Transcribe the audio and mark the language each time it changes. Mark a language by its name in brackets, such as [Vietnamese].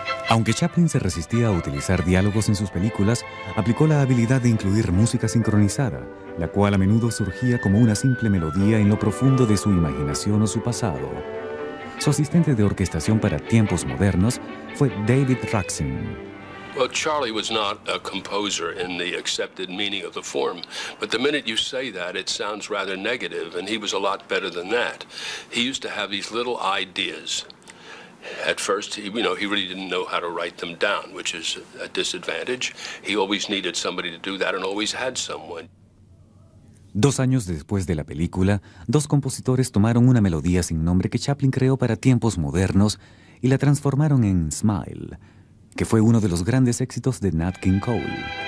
[Spanish] Aunque Chaplin se resistía a utilizar diálogos en sus películas, aplicó la habilidad de incluir música sincronizada, la cual a menudo surgía como una simple melodía en lo profundo de su imaginación o su pasado. Su asistente de orquestación para tiempos modernos fue David Raksin. [English] Well, Charlie was not a composer in the accepted meaning of the form. But the minute you say that, it sounds rather negative, and he was a lot better than that. He used to have these little ideas. At first, he really didn't know how to write them down, which is a disadvantage. He always needed somebody to do that and always had someone. [Spanish] 2 años después de la película, dos compositores tomaron una melodía sin nombre que Chaplin creó para tiempos modernos y la transformaron en Smile, que fue uno de los grandes éxitos de Nat King Cole.